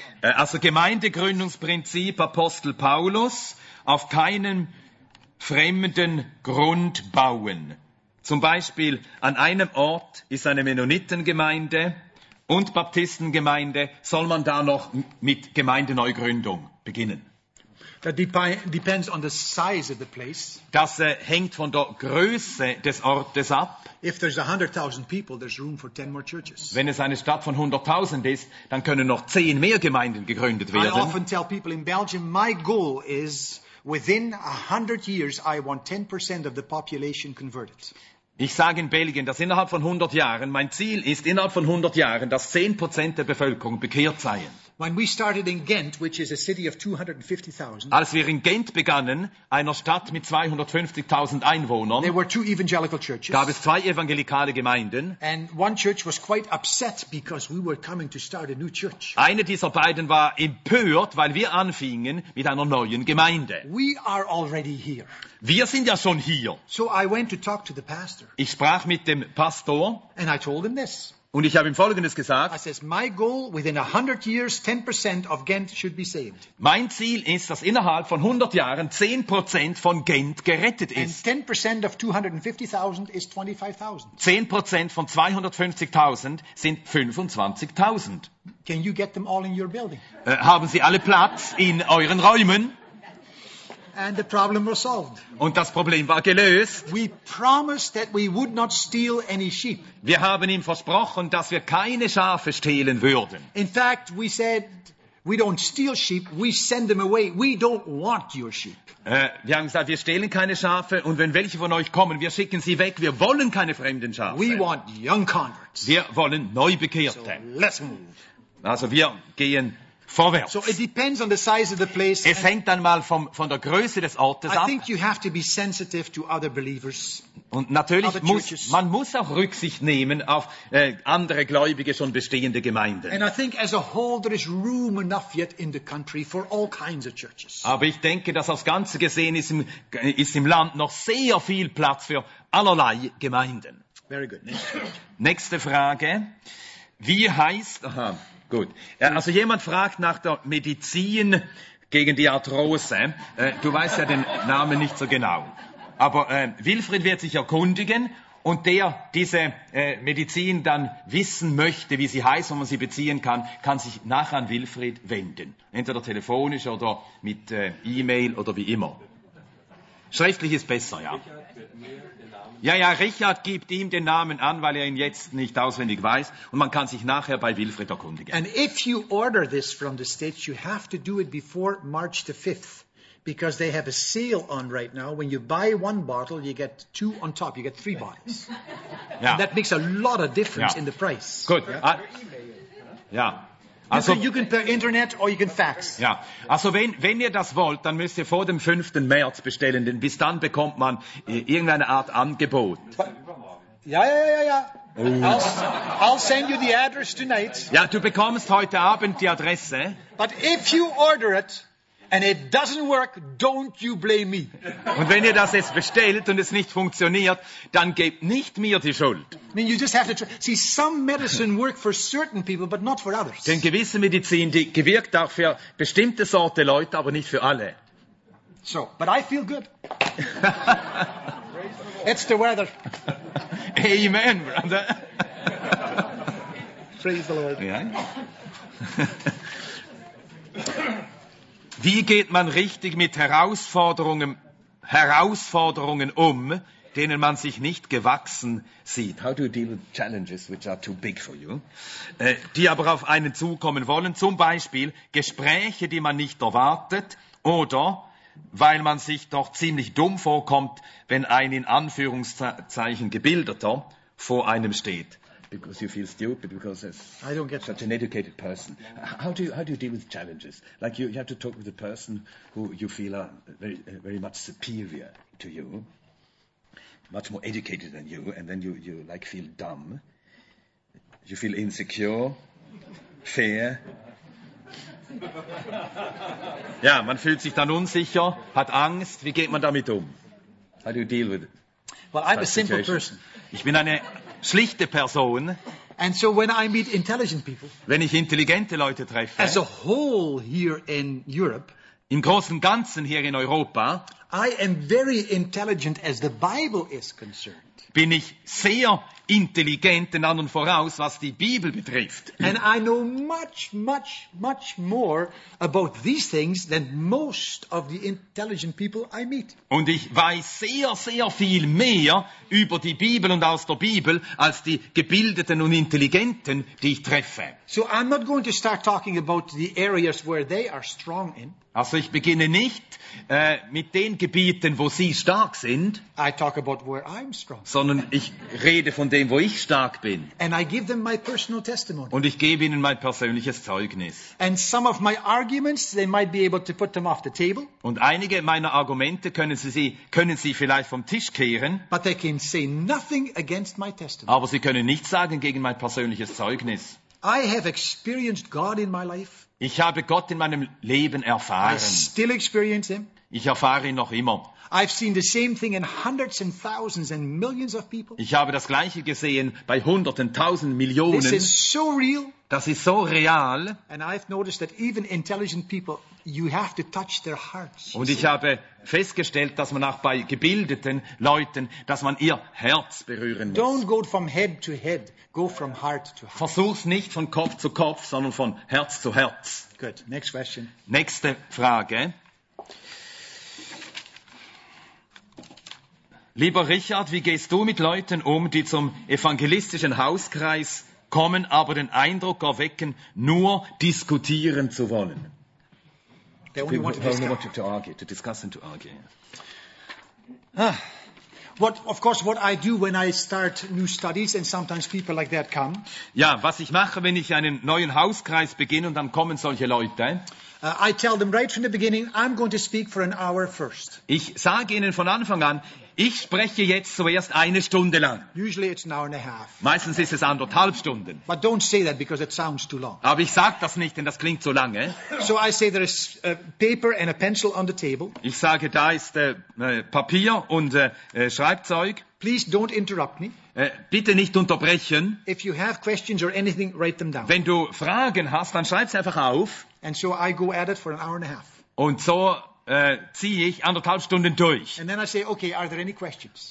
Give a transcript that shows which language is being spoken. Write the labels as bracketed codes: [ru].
[de] Also Gemeindegründungsprinzip Apostel Paulus, auf keinen fremden Grund bauen. Zum Beispiel an einem Ort ist eine Mennonitengemeinde und Baptistengemeinde. Soll man da noch mit Gemeindeneugründung beginnen? [en] That depends on the size of the place. [de] Das hängt von der Größe des Ortes ab. [en] If there's 100,000 people, there's room for 10 more churches. [de] Wenn es eine Stadt von 100,000 ist, dann können noch 10 mehr Gemeinden gegründet werden. [en] I often tell people in Belgium, my goal is within 100 years I want 10% of the population converted. [de] Ich sage in Belgien, dass innerhalb von 100 Jahren mein Ziel ist, innerhalb von 100 Jahren, dass 10% der Bevölkerung bekehrt seien. [en] When we started in Ghent, which is a city of 250,000. [de] Als wir in Ghent begannen, einer Stadt mit 250,000 Einwohnern, [en] there were two evangelical churches. [de] Gab es zwei evangelikale Gemeinden. [en] And one church was quite upset because we were coming to start a new church. [de] Eine dieser beiden war empört, weil wir anfingen mit einer neuen Gemeinde. [en] We are already here. [de] Wir sind ja schon hier. [en] So I went to talk to the pastor. [de] Ich sprach mit dem Pastor. [en] And I told him this. [de] Und ich habe ihm Folgendes gesagt. [en] I says, my goal, within 100 years, 10% of Ghent should be saved. [de] Mein Ziel ist, dass innerhalb von 100 Jahren 10% von Ghent gerettet ist. [en] And 10% of 250,000 is 25,000. [de] 10% von 250,000 sind 25,000. [en] Can you get them all in your building? [de] Haben Sie alle Platz in euren Räumen? [en] And the problem was solved. [de] Und das Problem war gelöst. [en] We promised that we would not steal any sheep. [de] Wir haben ihm versprochen, dass wir keine Schafe stehlen würden. [en] In fact, we said we don't steal sheep, we send them away. We don't want your sheep. [de] Wir haben gesagt, wir stehlen keine Schafe und wenn welche von euch kommen, wir schicken sie weg. Wir wollen keine fremden Schafe. [en] We want young converts. [de] Wir wollen Neubekehrte. [en] So let's move. [de] Also wir gehen vorwärts. [en] So it depends on the size of the place. [de] Es hängt dann mal von der Größe des Ortes ab. [en] I think you have to be sensitive to other believers. [de] Und natürlich muss man auch Rücksicht nehmen auf andere Gläubige, schon bestehende Gemeinden. [en] And I think as a whole there is room enough yet in the country for all kinds of churches. [de] Aber ich denke, dass das Ganze gesehen ist im Land noch sehr viel Platz für allerlei Gemeinden. [en] Very good. [de] Nächste Frage. Wie heißt, gut. Also jemand fragt nach der Medizin gegen die Arthrose. Du weißt ja den Namen nicht so genau. Aber Wilfried wird sich erkundigen und der diese Medizin dann wissen möchte, wie sie heißt und man sie beziehen kann, kann sich nachher an Wilfried wenden. Entweder telefonisch oder mit E-Mail oder wie immer. Schriftlich ist besser, ja. Ja, Richard gibt ihm den Namen an, weil er ihn jetzt nicht auswendig weiß. Und man kann sich nachher bei Wilfried erkundigen. [en] And if you order this from the States, you have to do it before March the 5th. Because they have a sale on right now. When you buy one bottle, you get two on top. You get three bottles. [de] Ja. [en] And that makes a lot of difference in the price. [de] Gut. Ja. [en] Also, you can per Internet or you can fax. [de] Ja, also wenn ihr das wollt, dann müsst ihr vor dem 5. März bestellen, denn bis dann bekommt man irgendeine Art Angebot. [en] Ja. I'll send you the address tonight. [de] Ja, du bekommst heute Abend die Adresse. [en] But if you order it and it doesn't work, don't you blame me. [de] Und wenn ihr das jetzt bestellt und es nicht funktioniert, dann gebt nicht mir die Schuld. [en] I mean, you just have to see, some medicine work for certain people, but not for others. [de] Denn gewisse Medizin, die gewirkt auch für bestimmte Sorte Leute, aber nicht für alle. [en] So, but I feel good. It's the weather. Amen, brother. Praise the Lord. [de] Ja. Wie geht man richtig mit Herausforderungen um, denen man sich nicht gewachsen sieht? [en] How do you deal with challenges which are too big for you? [de] Die aber auf einen zukommen wollen, zum Beispiel Gespräche, die man nicht erwartet, oder weil man sich doch ziemlich dumm vorkommt, wenn ein in Anführungszeichen Gebildeter vor einem steht. [en] Because you feel stupid because I don't get such an educated person. How do you deal with challenges? Like you have to talk with a person who you feel are very, very much superior to you, much more educated than you, and then you like feel dumb. You feel insecure, fear. [de] Ja, man fühlt sich dann unsicher, hat Angst. Wie geht man damit um? [en] How do you deal with it? Well, I'm a simple person. [de] Ich bin eine schlichte Person. [en] And so when I meet intelligent people, [de] wenn ich intelligente Leute treffe, [en] as a whole here in Europe, [de] im großen Ganzen hier in Europa, [en] I am very intelligent as the Bible is concerned. [de] Bin ich sehr intelligent, in an und voraus, was die Bibel betrifft. [en] And I know much, much, much more about these things than most of the intelligent people I meet. [de] Und ich weiß sehr, sehr viel mehr über die Bibel und aus der Bibel als die gebildeten und intelligenten, die ich treffe. [en] So I'm not going to start talking about the areas where they are strong in. [de] Also ich beginne nicht mit den Gebieten, wo sie stark sind, [en] I talk about where I'm strong. [de] Sondern ich rede von dem, wo ich stark bin. [en] And I give them my personal testimony. [de] Und ich gebe ihnen mein persönliches Zeugnis. [en] And some of my arguments, they might be able to put them off the table. [de] Und einige meiner Argumente können sie vielleicht vom Tisch kehren. [en] But they can say nothing against my testimony. [de] Aber sie können nichts sagen gegen mein persönliches Zeugnis. [en] I have experienced God in my life. [de] Ich habe Gott in meinem Leben erfahren. [en] I still experience him. [de] Ich erfahre ihn noch immer. [en] I've seen the same thing in hundreds and thousands and millions of people. [de] Ich habe das Gleiche gesehen bei Hunderten, Tausend, Millionen. [en] This is so real. [de] Das ist so real. [en] And I've noticed that even intelligent people, you have to touch their hearts. [de] Und ich habe festgestellt, dass man auch bei gebildeten Leuten, dass man ihr Herz berühren muss. [en] Don't go from head to head, go from heart to heart. [de] Versuch's nicht von Kopf zu Kopf, sondern von Herz zu Herz. [en] Good. Next question. [de] Nächste Frage. Lieber Richard, wie gehst du mit Leuten um, die zum evangelistischen Hauskreis kommen, aber den Eindruck erwecken, nur diskutieren zu wollen? [en] They only want to discuss and to argue. Ah. what I do when I start new studies, and sometimes people like that come. [de] Ja, was ich mache, wenn ich einen neuen Hauskreis beginne und dann kommen solche Leute. [en] I tell them right from the beginning, I'm going to speak for an hour first. [de] Ich sage ihnen von Anfang an, ich spreche jetzt zuerst eine Stunde lang. [en] Usually it's an hour and a half. [de] Meistens ist es anderthalb Stunden. [en] But don't say that because it sounds too long. [de] Aber ich sage das nicht, denn das klingt zu lange. [en] So I say there is a paper and a pencil on the table. [de] Ich sage, da ist Papier und Schreibzeug. [en] Please don't interrupt me. [de] Bitte nicht unterbrechen. [en] If you have questions or anything, write them down. [de] Wenn du Fragen hast, dann schreib sie einfach auf. [en] And so I go at it for an hour and a half. [de] Und so ziehe ich anderthalb Stunden durch. [en] And then I say, okay, are there any questions?